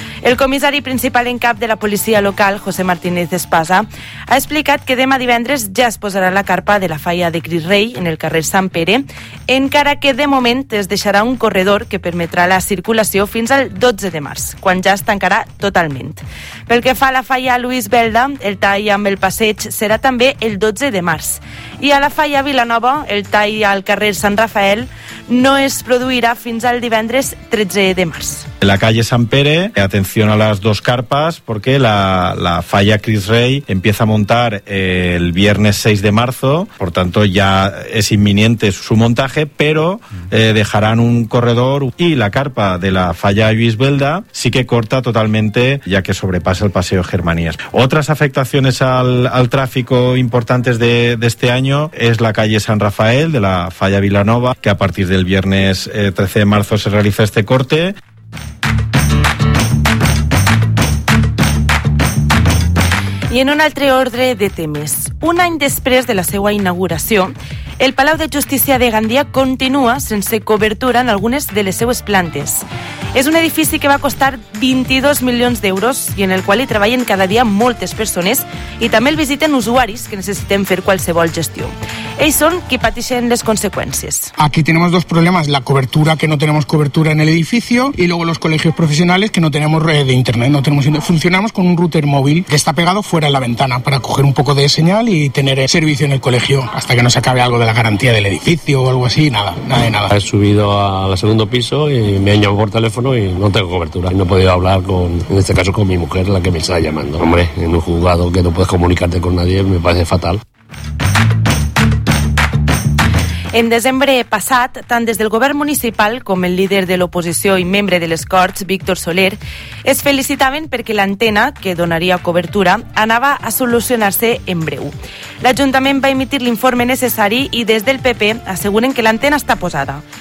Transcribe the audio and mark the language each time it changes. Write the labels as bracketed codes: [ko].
[ca] El comissari principal en cap de la policia local, José Martínez Espasa, ha explicat que demà divendres ja es posarà la carpa de la falla de Crist Rei en el carrer Sant Pere, encara que de moment es deixarà un corredor que permetrà la circulació fins al 12 de març, quan ja es tancarà totalment. Pel que fa a la falla Lluís Belda, el tall amb el passeig serà també el 12 de març. I a la falla Vilanova, el tall al carrer Sant Rafael no es produirà fins al divendres 13 de març. [es] En la calle San Pere, atención a las dos carpas, porque la falla Crist Rei empieza a montar el viernes 6 de marzo, por tanto ya es inminente su montaje, pero dejarán un corredor y la carpa de la falla Lluís Belda sí que corta totalmente, ya que sobrepasa el paseo Germanías. Otras afectaciones al tráfico importantes de este año es la calle San Rafael de la falla Vilanova, que a partir del viernes 13 de marzo se realiza este corte. [ca] I en un altre ordre de temes. Un any després de la seva inauguració, el Palau de Justícia de Gandia continua sense cobertura en algunes de les seues plantes. És un edifici que va costar 22 milions d'euros i en el qual hi treballen cada dia moltes persones i també el visiten usuaris que necessiten fer qualsevol gestió. Ells són qui pateixen les conseqüències. [es] Aquí tenemos dos problemas, la cobertura, que no tenemos cobertura en el edificio, y luego los colegios profesionales, que no tenemos red de internet, no tenemos internet. Funcionamos con un router móvil que está pegado fuera de la ventana para coger un poco de señal y tener servicio en el colegio hasta que no se acabe algo de la garantía del edificio o algo así, nada. He subido al segundo piso y me han llamado por teléfono y no tengo cobertura. No he podido hablar con, en este caso, con mi mujer, la que me está llamando. Hombre, en un juzgado que no puedes comunicarte con nadie me parece fatal. [ca] En desembre passat, tant des del govern municipal com el líder de l'oposició i membre de les Corts, Víctor Soler, es felicitaven perquè l'antena, que donaria cobertura, anava a solucionar-se en breu. L'Ajuntament va emitir l'informe necessari i des del PP asseguren que l'antena està posada.